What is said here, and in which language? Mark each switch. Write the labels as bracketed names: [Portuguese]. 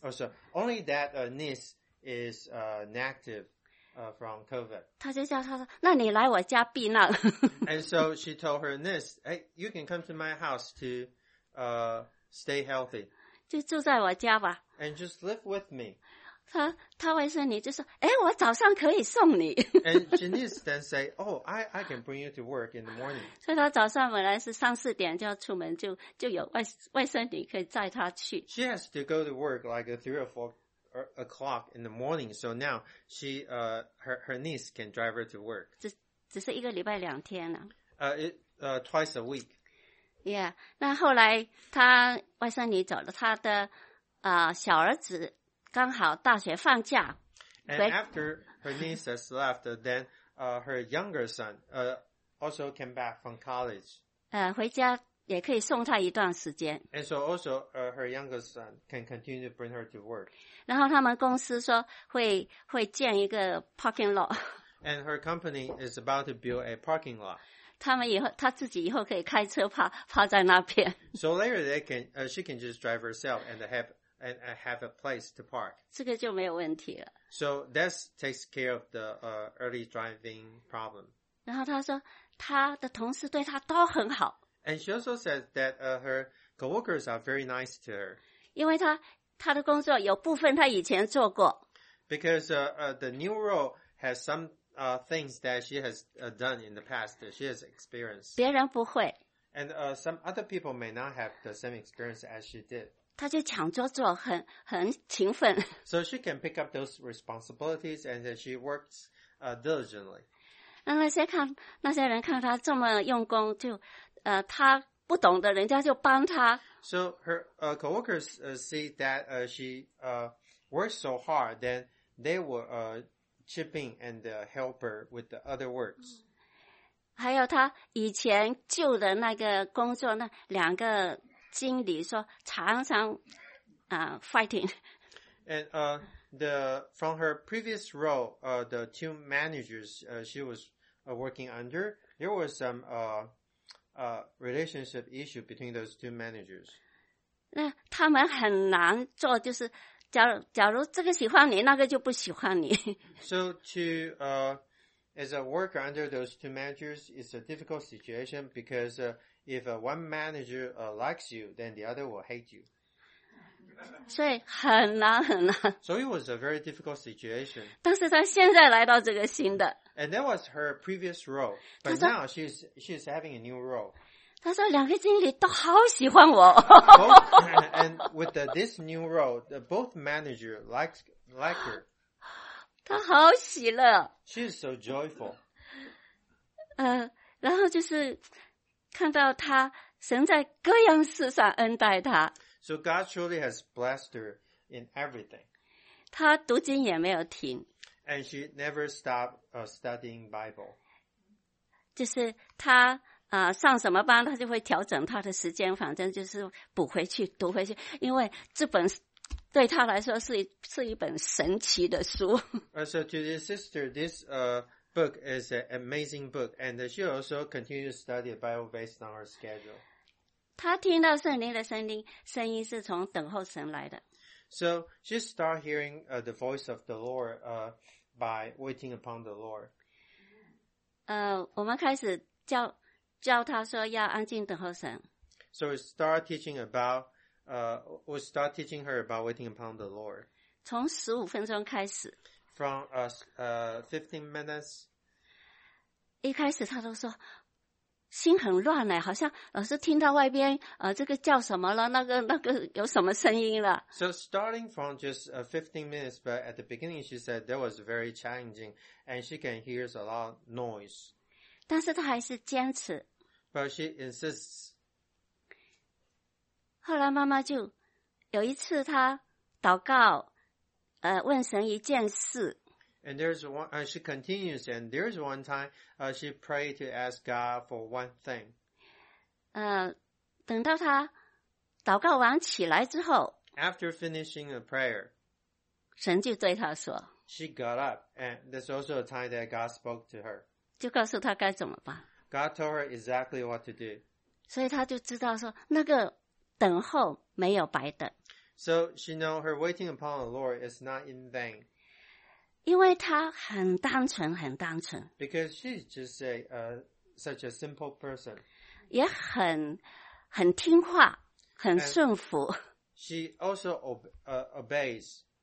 [English] Oh, so only that niece is negative from COVID. [Chinese] 她就叫她说，那你来我家避难。 [English] And so she told her niece, hey, you can come to my house to stay healthy. [Chinese] 就住在我家吧。 [English] And just live with me. [Chinese] 他外甥女就说，哎，我早上可以送你。 [English] And Janice then say, oh, I can bring you to work in the morning. [Chinese] 所以他早上本来是三四点就要出门，就有外甥女可以载他去。 [English] She has to go to work like 3 or 4 o'clock in the morning. So now she, her niece can drive her to work. [Chinese] 只是一个礼拜两天了。 [English] Twice a week. [Chinese] Yeah, 那后来他外甥女走了，他的小儿子刚好大学放假。 [English] And after her niece has left, then her younger son also came back from college. [Chinese] 回家也可以送他一段时间。 [English] And so also her younger son can continue to bring her to work. [Chinese] 然后他们公司说会建一个 [English] parking lot. And her company is about to build a parking lot. [Chinese] 他自己以后可以开车跑在那边。 [English] So later they can, she can just drive herself and have a place to park. [Chinese] 这个就没有问题了。 [English] So that takes care of the early driving problem. [Chinese] 然后他说他的同事对他都很好。 [English] And she also said that her co-workers are very nice to her. [Chinese] 因为他的工作有部分他以前做过。 [English] Because the new role has somethings that she has done in the past that she has experienced. [Chinese] 别人不会。 [English] And some other people may not have the same experience as she did. [Chinese] 她就抢着做，很勤奋。 [English] So she can pick up those responsibilities and she works diligently. [Chinese] 那些人看她这么用功，就她不懂的人家就帮她。 [English] So her co-workers see that she works so hard, then they were chipping and the helper with the other words. [Chinese] 还有他以前旧的那个工作，那两个经理说常常 [English] fighting. And from her previous role, the two managers she was working under, there was some relationship issue between those two managers. [Chinese] 那他们很难做，就是假如这个喜欢你，那个就不喜欢你。 [English] So to as a worker under those two managers is a difficult situation because if one manager likes you, then the other will hate you. [Chinese] 所以很难很难。 [English] So it was a very difficult situation. [Chinese] 但是他现在来到这个新的。 [English] And that was her previous role. But now she's having a new role. [Chinese] 他说两个经理都好喜欢我。 [English] And with this new role, both managers like her. [Chinese] 他好喜乐。 [English] She's so joyful. [Chinese] 然后就是看到他神在各样事上恩待他。 [English] So God truly has blessed her in everything. [Chinese] 他读经也没有停。 [English] And she never stopped studying Bible. [Chinese] 就是他上什么班他就会调整他的时间，反正就是补回去读回去，因为这本对他来说是一本神奇的书。 [English] So to the sister, this book is an amazing book, and she also continues to study the Bible based on her schedule. [Chinese] 他听到圣灵的声音，声音是从等候神来的。 [English] So she started hearing the voice of the Lord by waiting upon the Lord. [Chinese] 我们开始教他说要安静等候神。 [English] So we start teaching her about waiting upon the Lord. [Chinese] 从15分钟开始。 [English] From 15 minutes. [Chinese] 一开始他都说心很乱了，好像老是听到外边这个叫什么了，那个有什么声音了。 [English] So starting from just 15 minutes, but at the beginning she said that was very challenging and she can hear a lot of noise. [Chinese] 但是她还是坚持。 [English] But she insists. [Chinese] 后来妈妈就有一次她祷告问神一件事。 [English] And there's one, she continues, and there's one time, she prayed to ask God for one thing. [Chinese] 等到她祷告完起来之后。 [English] After finishing a prayer. [Chinese] 神就对她说。 [English] She got up, and there's also a time that God spoke to her. [Chinese] 就告诉她该怎么办。 [English] God told her exactly what to do. [Chinese] 所以她就知道说，那个等候没有白等。 [English] So she know her waiting upon the Lord is not in vain. [Chinese] 因为他很单纯，很单纯。 [English] Because she's just such a simple person. [Chinese] 也很听话，很顺服。 [English] She also obeys.